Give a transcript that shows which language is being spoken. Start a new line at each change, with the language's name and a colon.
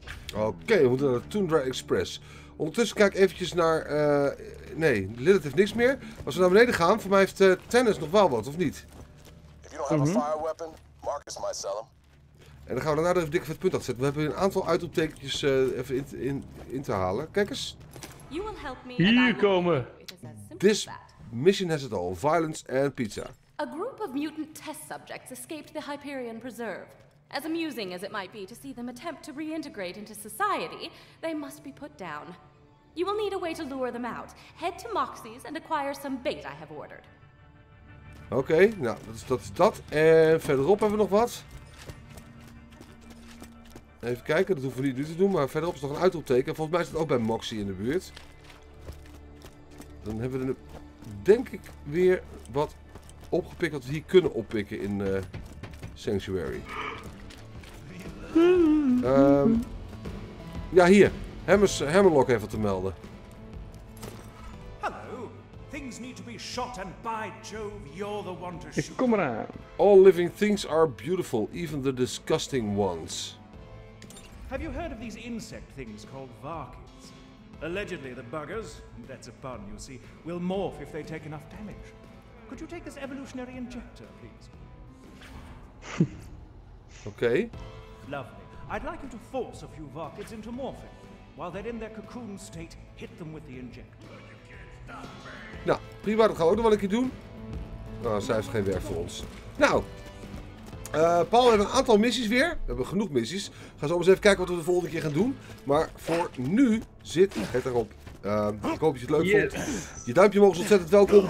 Dutch: Oké, we moeten naar de Tundra Express. Ondertussen kijk ik eventjes naar... Nee, Lilith heeft niks meer. Als we naar beneden gaan, voor mij heeft Tanis nog wel wat, of niet?
English: If you don't have a fire weapon, Marcus might sell him.
Dutch: En dan gaan we daarna even dikke vet punt afzetten. We hebben een aantal uitroeptekentjes even in te halen. Kijk eens.
English: You will help me.
Dutch: Hier komen.
English: This mission has it all. Violence and pizza. A group of mutant test subjects escaped the Hyperion Preserve. As amusing as it might be to see them attempt to reintegrate into society, they must be put down. You will need a way to lure them out. Head to Moxie's and acquire some bait I have ordered.
Dutch: Oké, nou, dat is dat. En verderop hebben we nog wat. Even kijken, dat hoeven we niet nu te doen, maar verderop is nog een uitroepteken. Volgens mij is het ook bij Moxie in de buurt. Dan hebben we er, denk ik, weer wat opgepikt wat we hier kunnen oppikken in Sanctuary. Ja, hier. Hammerlock even te melden. Hallo.
English: Things need to be shot and by Jove, you're the one to shoot. Ik kom eraan. All living things are beautiful, even the disgusting ones. Have you heard of these insect things called varkids? Allegedly the buggers, that's a pun you see, will morph if they take enough damage. Could you take this evolutionary injector, please? Okay. Lovely. I'd like you to force a few varkids into morphing. While they're in their cocoon state, hit them with the injector.
Dutch: Nou, prima, dat gaan we ook nog wel een keer doen. Nou, zij heeft geen werk voor ons. Nou, Paul heeft een aantal missies weer. We hebben genoeg missies. We gaan zo eens even kijken wat we de volgende keer gaan doen. Maar voor nu zit het erop. Ik hoop dat je het leuk vond. Je duimpje omhoog is ontzettend welkom.